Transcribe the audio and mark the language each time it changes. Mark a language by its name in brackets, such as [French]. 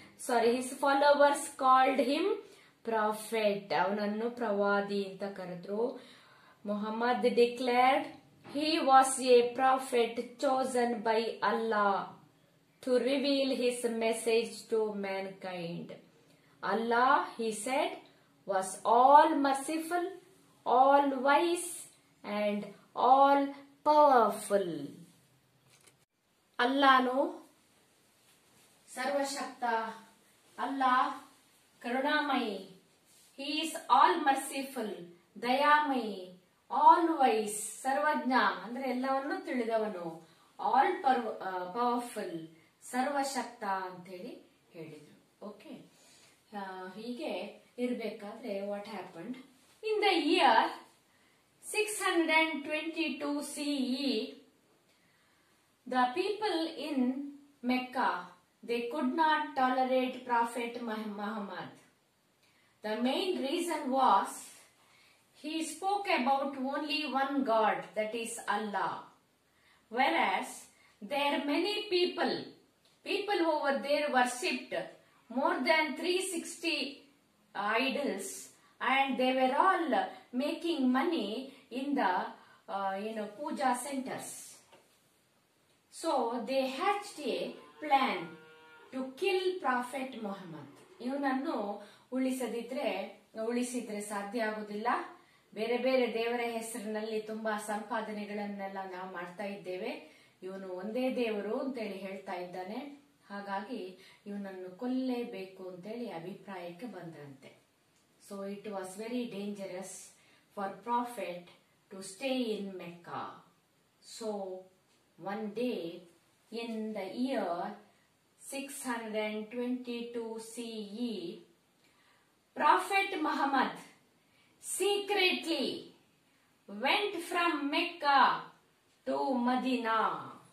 [English] his followers called him prophet, [Kannada] ಅವನನ್ನು ಪ್ರವಾದಿ ಅಂತ ಕರೆದ್ರು. [English] Muhammad declared He was a prophet chosen by Allah to reveal his message to mankind. Allah, he said, was all merciful, all wise and all powerful. [Kannada] Allahnu sarvashakta, Allah karunamayi, [English] he is all merciful, [Kannada] dayamayi, all wise ಸರ್ವಜ್ಞ ಅಂದ್ರೆ ಎಲ್ಲವನ್ನು ತಿಳಿದವನು, all powerful ಸರ್ವಶಕ್ತ ಅಂತೇಳಿ ಹೇಳಿದ್ರು. [English] Okay, ಹೀಗೆ ಇರಬೇಕಾದ್ರೆ what happened in the year 622 CE, the people in Mecca, they could not tolerate prophet Muhammad. The main reason was He spoke about only one God, that is Allah. Whereas there are many people over there worshipped more than 360 idols and they were all making money in the [Kannada] ಏನು ಪೂಜಾ centres. [English] So they hatched a plan to kill prophet Muhammad. [Kannada] ಇವನನ್ನು ಉಳಿಸಿದ್ರೆ ಸಾಧ್ಯ ಆಗುದಿಲ್ಲ, ಬೇರೆ ಬೇರೆ ದೇವರ ಹೆಸರಿನಲ್ಲಿ ತುಂಬಾ ಸಂಪಾದನೆಗಳನ್ನೆಲ್ಲ ನಾವು ಮಾಡ್ತಾ ಇದ್ದೇವೆ, ಇವನು ಒಂದೇ ದೇವರು ಅಂತೇಳಿ ಹೇಳ್ತಾ ಇದ್ದಾನೆ, ಹಾಗಾಗಿ ಇವನನ್ನು ಕೊಲ್ಲಲೇಬೇಕು ಅಂತೇಳಿ ಅಭಿಪ್ರಾಯಕ್ಕೆ ಬಂದ್ರಂತೆ. [English] So it was very dangerous for prophet to stay in Mecca. So one day in the year 622 CE, Prophet Muhammad secretly went from Mecca to Medina.